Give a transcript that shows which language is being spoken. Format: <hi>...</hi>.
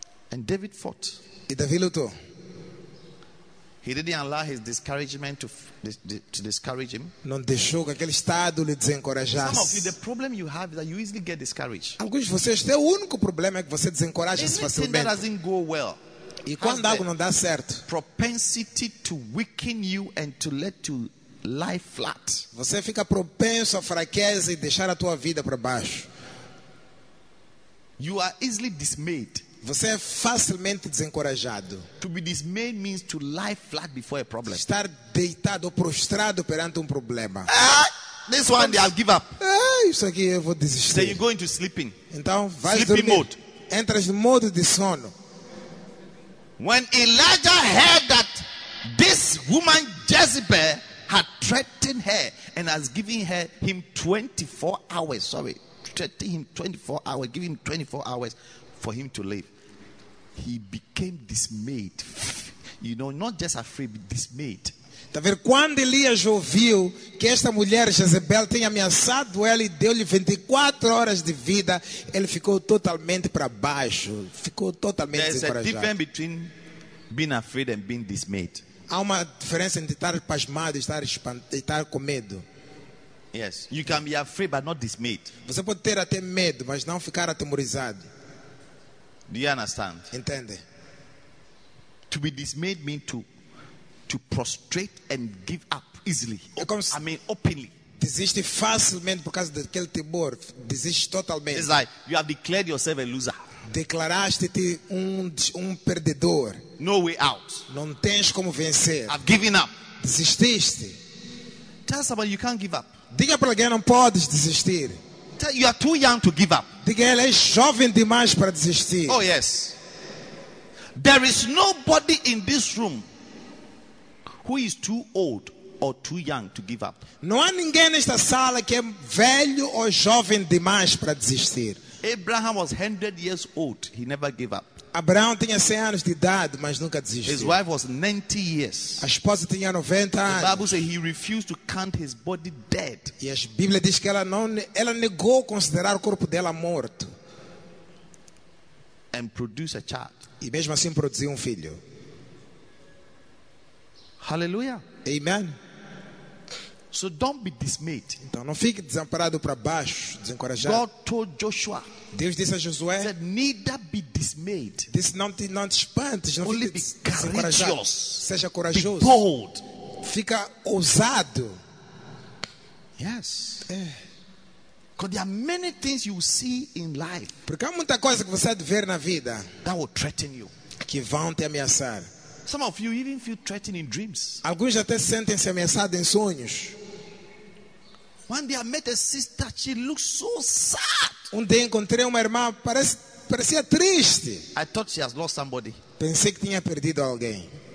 <en>And David fought.</en> <pt>E Davi lutou.</pt> <en>He didn't allow his discouragement to discourage him.</en> <pt>Não deixou que aquele estado lhe desencorajasse.</pt> <en>Some of you, the problem you have is that you easily get discouraged.</en> <pt>Alguns de vocês, o único problema é que você desencoraja facilmente.</pt> <en>That doesn't go well.</en> <pt>E quando algo não dá certo,</pt> <en>propensity to weaken you and to let you lie flat.</en> <pt>Você fica propenso à fraqueza e deixar a tua vida para baixo.</pt> <en>You are easily dismayed.</en> <pt>Você é facilmente desencorajado.</pt> <en>To be dismayed means to lie flat before a problem.</en> <pt>Estar deitado ou prostrado perante problema.</pt> <en>This one day I'll give up.</en> <pt>Isso aqui eu vou desistir.</pt> <en>So you go into sleeping.</en> <pt>Então vai</pt> <en>sleeping</en> <pt>dormir.</pt> <en>Mode.</en> <pt>Entras no modo de sono.</pt> <en>When Elijah heard that this woman Jezebel had threatened her and has given him 24 hours, giving him 24 hours for him to live, he became dismayed. You know, not just afraid, but dismayed.</en> <pt>Tá vendo? Quando Elias ouviu que esta mulher Jezebel tinha ameaçado ele e deu-lhe 24 horas de vida, ele ficou totalmente para baixo, ficou totalmente</pt> <en>There's</en> <pt>desencorajado.</pt> <en>A difference between being afraid and being dismayed.</en> <pt>Há uma diferença entre estar pasmado e estar com medo.</pt> <en>Yes, you can be afraid but not dismayed.</en> <pt>Você pode ter até medo, mas não ficar atemorizado.</pt> <en>Do you understand?</en> <pt>Entende?</pt> <en>To be dismayed means to prostrate and give up easily. Openly.</en> <pt>Desiste facilmente por causa daquele temor. Desiste totalmente.</pt> <en>It's like you have declared yourself a loser.</en> <pt>Declaraste-te perdedor.</pt> <en>No way out.</en> <pt>Não tens como vencer.</pt> <en>I've given up.</en> <pt>Desististe.</pt> <en>Tell somebody you can't give up.</en> <pt>Diga para alguém não podes desistir.</pt> <en>You are too young to give up.</en> <pt>Diga, ele é jovem demais para desistir.</pt> <en>Oh yes. There is nobody in this room who is too old or too young to give up.</en> <pt>Não há ninguém nesta sala que é velho ou jovem demais para desistir.</pt> <en>Abraham was 100 years old. He never gave up.</en> <pt>Abraão tinha 100 anos de idade, mas nunca desistiu.</pt> <en>His wife was 90 years.</en> <pt>A esposa tinha 90 anos.</pt> <en>The Bible says he refused to count his body dead.</en> <pt>E a Bíblia diz que ela negou considerar o corpo dela morto.</pt> <en>And produce a child.</en> <pt>E mesmo assim produziu um filho.</pt> <en>Hallelujah. Amen. So don't be dismayed.</en> <pt>Então não fique desamparado para baixo, desencorajado.</pt> <en>God told Joshua.</en> <pt>Deus disse a Josué.</pt> <en>Said, neither be dismayed.</en> <pt>Disse, não te espantes, não</pt> <en>only be</en> <pt>desencorajado. Seja corajoso.</pt> <en>Be bold.</en> <pt>Fica ousado.</pt> <en>Yes. Because there are many things you see in life.</en> <pt>Porque há muita coisa que você há de ver na vida.</pt> <en>That will threaten you.</en> <pt>Que vão te ameaçar.</pt> <en>Some of you even feel threatened in dreams.</en> <pt>Alguns até sentem-se ameaçados em sonhos.</pt> <en>One day I met a sister, she looked so sad.</en> <pt>Um dia encontrei uma irmã, parecia triste.</pt> <en>I thought she has lost somebody.</en> <pt>Pensei que tinha perdido alguém.</pt>